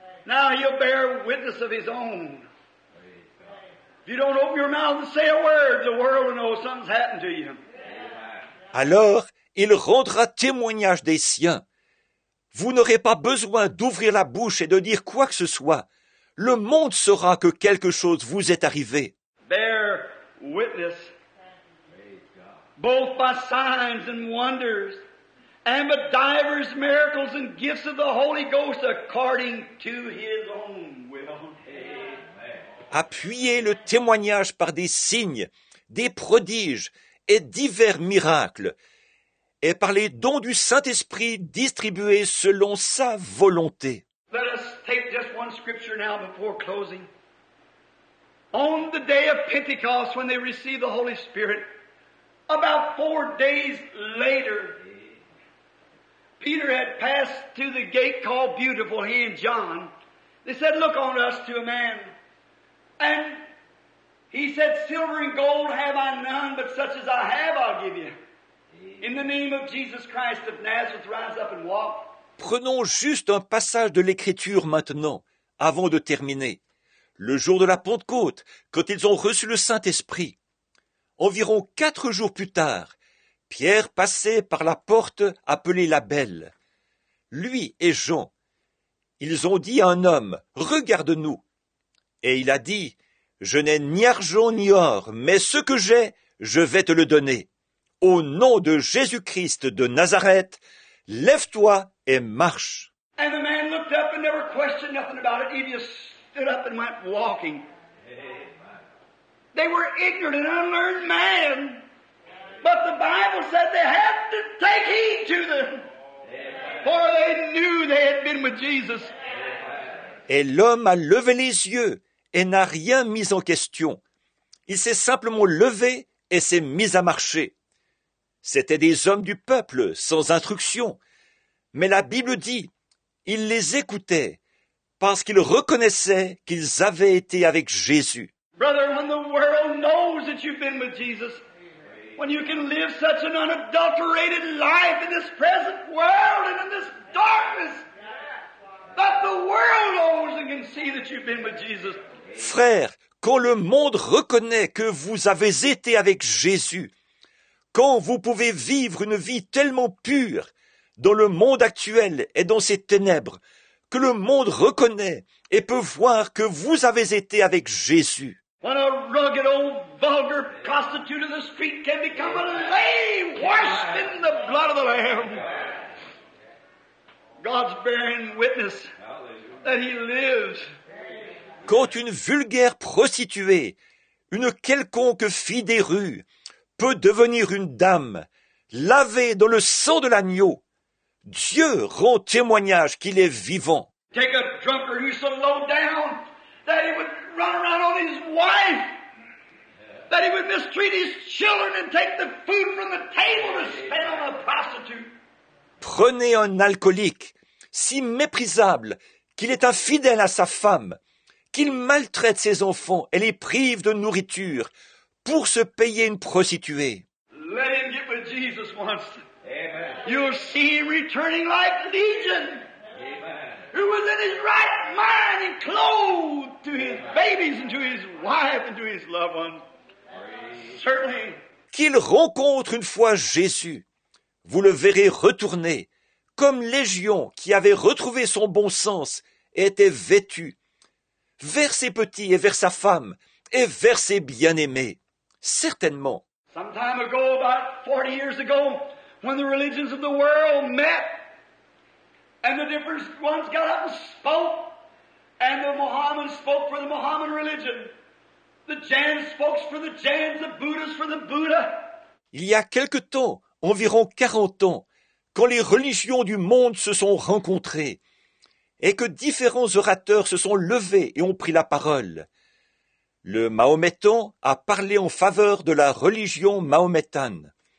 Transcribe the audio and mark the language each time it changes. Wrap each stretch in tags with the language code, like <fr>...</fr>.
<en>Now he'll bear witness of his own. If you don't open your mouth and say a word, the world will know something's happened to you.</en> <fr>Alors, il rendra témoignage des siens. Vous n'aurez pas besoin d'ouvrir la bouche et de dire quoi que ce soit. Le monde saura que quelque chose vous est arrivé.</fr> <en>Bear witness, both by signs and wonders, and by divers miracles and gifts of the Holy Ghost according to his own will. Amen.</en> <fr>Appuyez le témoignage par des signes, des prodiges et divers miracles, et par les dons du Saint-Esprit distribués selon sa volonté.</fr> <en>Let us take just one scripture now before closing. On the day of Pentecost, when they received the Holy Spirit, about 4 days later, Peter had passed through the gate called Beautiful, he and John. They said, look on us, to a man. And he said, silver and gold have I none, but such as I have I'll give you. In the name of Jesus Christ of Nazareth, rise up and walk.</en> <fr>Prenons juste un passage de l'Écriture maintenant, avant de terminer. Le jour de la Pentecôte, quand ils ont reçu le Saint-Esprit. Environ 4 jours plus tard, Pierre passait par la porte appelée la Belle. Lui et Jean, ils ont dit à un homme, « Regarde-nous !» Et il a dit, « Je n'ai ni argent ni or, mais ce que j'ai, je vais te le donner. Au nom de Jésus-Christ de Nazareth, lève-toi et marche !»</fr> <en>And the man looked up and never questioned nothing about it. He just stood up and went walking. They were ignorant and unlearned men, but the Bible said they had to take heed to them, for they knew they had been with Jesus.</en> <fr>Et l'homme a levé les yeux et n'a rien mis en question. Il s'est simplement levé et s'est mis à marcher. C'étaient des hommes du peuple sans instruction, mais la Bible dit, ils les écoutaient parce qu'ils reconnaissaient qu'ils avaient été avec Jésus.</fr> <en>Brother, when the world knows that you've been with Jesus, when you can live such an unadulterated life in this present world and in this darkness, that the world knows and can see that you've been with Jesus.</en> <fr>Frère, quand le monde reconnaît que vous avez été avec Jésus, quand vous pouvez vivre une vie tellement pure dans le monde actuel et dans ses ténèbres, que le monde reconnaît et peut voir que vous avez été avec Jésus.</fr> <en>When a rugged old vulgar prostitute in the street can become a lame washed in the blood of the Lamb. God's bearing witness that he lives.</en> <fr>Quand une vulgaire prostituée, une quelconque fille des rues, peut devenir une dame, lavée dans le sang de l'agneau, Dieu rend témoignage qu'il est vivant.</fr> <en>Take a drunker who's so low down that he would run around on his wife, that he would mistreat his children and take the food from the table to spend on a prostitute.</en> <fr>Prenez un alcoolique si méprisable qu'il est infidèle à sa femme, qu'il maltraite ses enfants et les prive de nourriture pour se payer une prostituée.</fr> <en>Let him get with Jesus once. You'll see him returning like Legion, who was in his right mind and clothed to his babies and to his wife and to his loved ones. Certainly.</en> <fr>Qu'il rencontre une fois Jésus, vous le verrez retourner, comme Légion qui avait retrouvé son bon sens et était vêtu, vers ses petits et vers sa femme et vers ses bien-aimés. Certainement.</fr> <en>Some time ago, about 40 years ago, when the religions of the world met, and the different ones got up and spoke, and the Mohammed spoke for the Mohammed religion, the Jain spoke for the Jains, the Buddhists for the Buddha.</en> <fr>Il y a quelque temps, environ 40 ans, quand les religions du monde se sont rencontrées, et que différents orateurs se sont levés et ont pris la parole, le Mahométan a parlé en faveur de la religion mahométane.</fr>